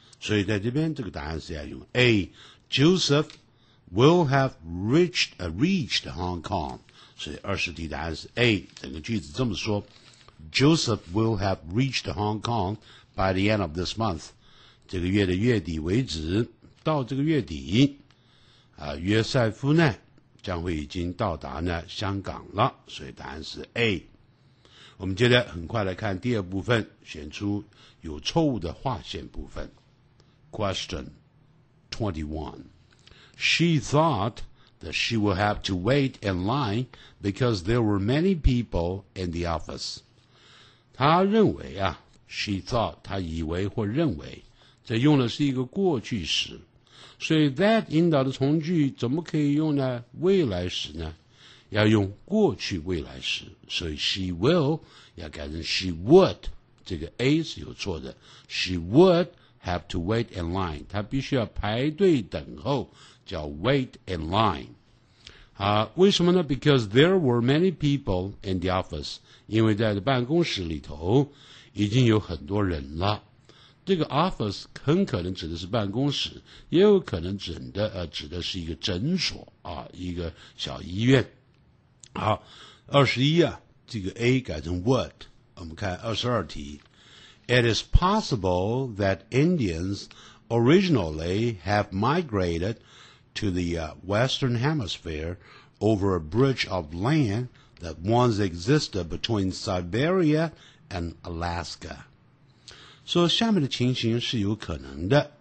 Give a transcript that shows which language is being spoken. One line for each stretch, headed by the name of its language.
Chinese: 所以在这边这个答案是要用 A，
English: Joseph will have reached Hong Kong，
Chinese: 所以二十题答案是 A， 整个句子这么说，
English: Joseph will have reached Hong Kong by the end of this month，
Chinese: 这个月的月底为止，到这个月底啊，约塞夫呢将会已经到达呢香港了，所以答案是 A。我们接着很快来看第二部分，选出有错误的划线部分。
English: Question 21. She thought that she would have to wait in line because there were many people in the office.
Chinese: 她认为啊
English: she thought,
Chinese: 她以为或认为，这用的是一个过去时。所以 that 引导的从句怎么可以用呢？未来时呢？要用过去未来时。所以
English: she will
Chinese: 要改成
English: she would，
Chinese: 这个 A 是有错的。
English: She wouldhave to wait in line，
Chinese: 他必须要排队等候，叫
English: wait in line。
Chinese: 为什么呢？
English: Because there were many people in the office，
Chinese: 因为在办公室里头已经有很多人了。这个 office 很可能指的是办公室，也有可能指的是一个诊所啊，一个小医院。好，21啊，这个 A 改成 would。我们看22题，
English: It is possible that Indians originally have migrated to the Western Hemisphere over a bridge of land that once existed between Siberia and Alaska.
Chinese: So, 下面的情形是有可能的。